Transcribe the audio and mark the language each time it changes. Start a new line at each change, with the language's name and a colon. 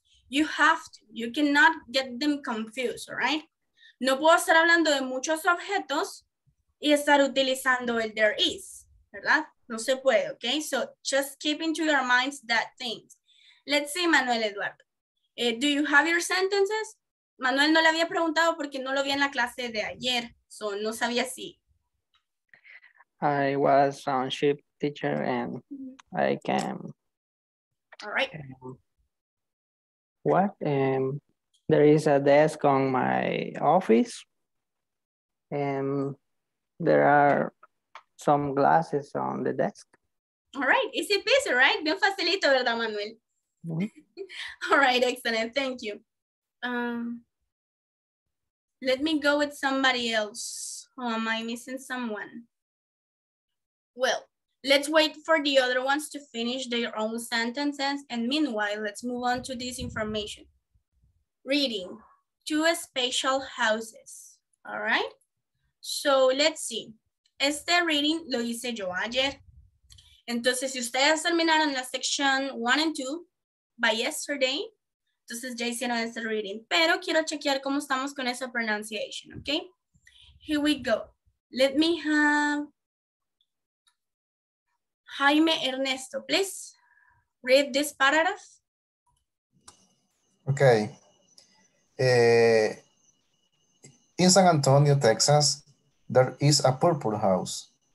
English: You cannot get them confused, all right?
Spanish: No puedo estar hablando de muchos objetos y estar utilizando el there is, ¿verdad? No se puede, okay?
English: So just keep into your minds that thing. Let's see, Manuel Eduardo. Do you have your sentences?
Spanish: Manuel no le había preguntado porque no lo vi en la clase de ayer. So no sabía si.
English: I was a ship teacher and I came. All right. What? There is a desk on my office. There are some glasses on the desk. All right, easy peasy, right?
Spanish: Bien facilito, ¿verdad,
English: Manuel? Mm-hmm. All right, excellent, thank you. Let me go with somebody else. Oh, am I missing someone? Well, let's wait for the other ones to finish their own sentences. And meanwhile, let's move on to this information. Reading, two spatial houses, all right? So let's see,
Spanish: este reading lo hice yo ayer. Entonces, si ustedes terminaron la
English: section 1 and 2 by yesterday,
Spanish: entonces ya hicieron este reading. Pero quiero chequear cómo estamos con esa pronunciation, okay?
English: Here we go. Let me have Jaime Ernesto, please read this paragraph. Okay. In San Antonio, Texas, there is a purple house.